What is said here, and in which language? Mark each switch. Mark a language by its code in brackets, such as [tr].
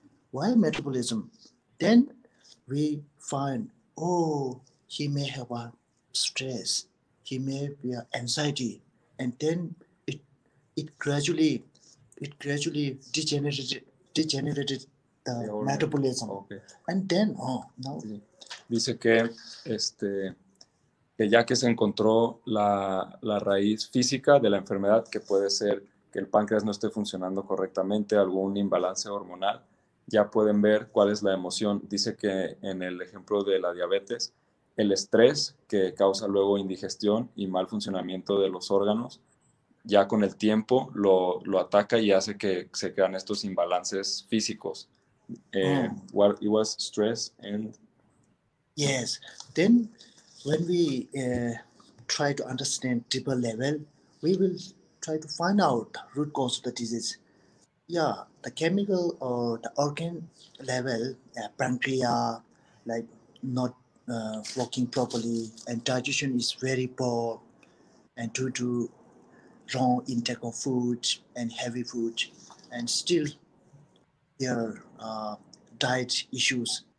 [en] Why metabolism? Then we find, he may have a stress, he may be a anxiety, and then it gradually degenerated the metabolism. Okay. And then, [es] dice que que ya que se encontró la raíz física de la enfermedad, que puede ser que el páncreas no esté funcionando correctamente, algún imbalance hormonal, ya pueden ver cuál es la emoción. Dice que en el ejemplo de la diabetes, el estrés que causa luego indigestión y mal funcionamiento de los órganos, ya con el tiempo lo ataca y hace que se crean estos imbalances físicos. [en] It was stress and... Yes, then when we try to understand deeper level, we will try to find out the root cause of the disease. Yeah, the chemical or the organ level, pancreas, like not working properly, and digestion is very poor, and due to wrong intake of food and heavy food, and still there diet issues.